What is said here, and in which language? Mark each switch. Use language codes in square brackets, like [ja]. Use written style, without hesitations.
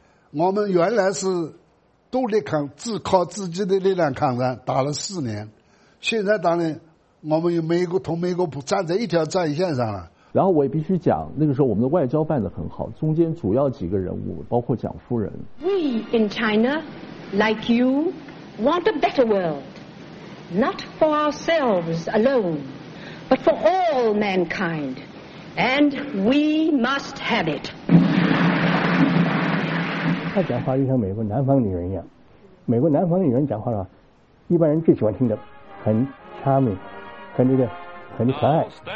[zh] 我们原来是独立抗，自靠自己的力量抗战，打了4年，现在当然我们有美国同美国不站在一条战线上了。然后我也必须讲，那个时候我们的外交办得很好，中间主要几个人物包括蒋夫人。 [en] We in China, like you, want a better world, not for ourselves alone, but for all mankind, and we must have it. [zh] 他讲话就像美国南方女人一样，美国南方女人讲话了，一般人最喜欢听的很 charming，很那个，很可爱。